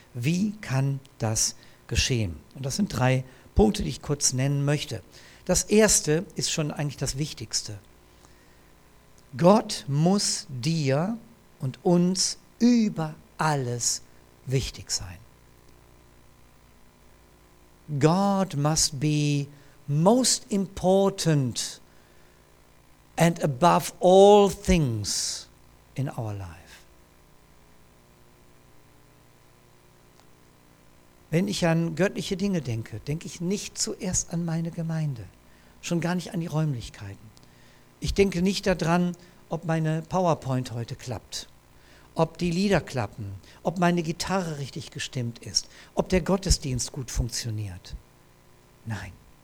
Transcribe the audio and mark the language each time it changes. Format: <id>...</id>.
<de>Wie kann das geschehen? Und das sind drei Punkte, die ich kurz nennen möchte. Das erste ist schon eigentlich das Wichtigste. Gott muss dir und uns über alles wichtig sein.</de> <en>God must be most important and above all things in our life.</en> <de>Wenn ich an göttliche Dinge denke, denke ich nicht zuerst an meine Gemeinde, schon gar nicht an die Räumlichkeiten. Ich denke nicht daran, ob meine PowerPoint heute klappt, ob die Lieder klappen, ob meine Gitarre richtig gestimmt ist, ob der Gottesdienst gut funktioniert. Nein.</de>